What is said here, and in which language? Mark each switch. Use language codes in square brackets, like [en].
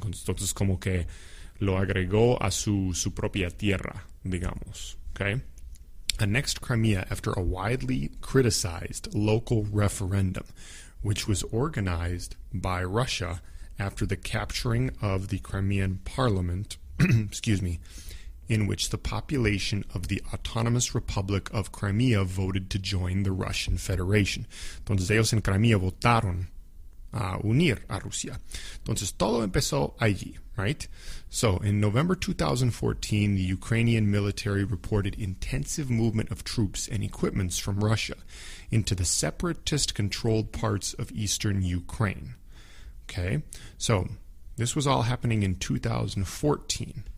[es] Entonces, como que lo agregó a su propia tierra, digamos, okay? [en] Annexed Crimea after a widely criticized local referendum, which was organized by Russia after the capturing of the Crimean parliament, excuse me, in which the population of the Autonomous Republic of Crimea voted to join the Russian Federation. [es] Entonces ellos en Crimea votaron a unir a Rusia. Entonces todo empezó allí, right? [en] So in November 2014, the Ukrainian military reported intensive movement of troops and equipments from Russia into the separatist-controlled parts of eastern Ukraine. Okay, so this was all happening in 2014.